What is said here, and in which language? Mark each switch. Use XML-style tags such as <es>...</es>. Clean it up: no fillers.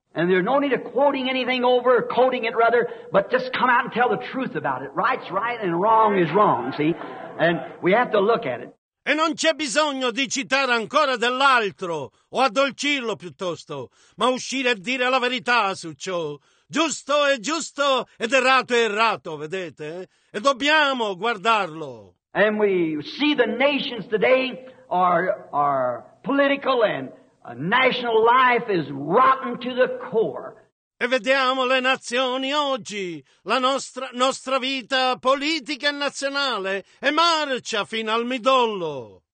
<en>And there's no need of quoting anything over, or quoting it rather, but just come out and tell the truth about it. Right's right and wrong is wrong, see? And we have to look at it.</en> <it>E non c'è bisogno di citare ancora dell'altro, o addolcirlo piuttosto, ma uscire e dire la verità su ciò. Giusto è giusto ed errato è errato, vedete? E dobbiamo guardarlo.</it> <en>And we see the nations today... Our political and national life is rotten to the core.</en> <it>E vediamo le nazioni oggi. La nostra vita politica e nazionale è marcia fino al midollo.</it>